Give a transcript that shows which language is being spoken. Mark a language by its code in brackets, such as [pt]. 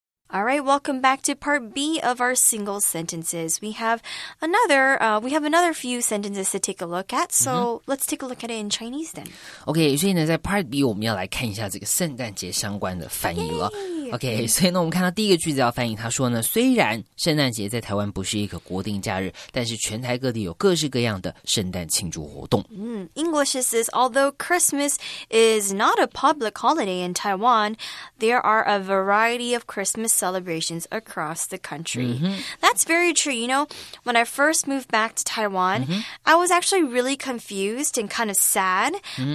[en] All right, welcome back to part B of our single sentences. We have another few sentences to take a look at, so let's take a look at it in Chinese then. [zh] Okay, 所以呢，在 part B 我们要来看一下这个圣诞节相关的翻译了。 Yay! OK， 所以呢，我们看到第一个句子要翻译，他说呢，虽然圣诞节在台湾不是一个国定假日，但是全台各地有各式各样的圣诞庆祝活动。 [en] English says, although Christmas is not a public holiday in Taiwan, there are a variety of Christmas celebrations across the country.、 Mm-hmm. That's very true. You know, when I first moved back to Taiwan,、mm-hmm. I was actually really confused and kind of sad、mm-hmm.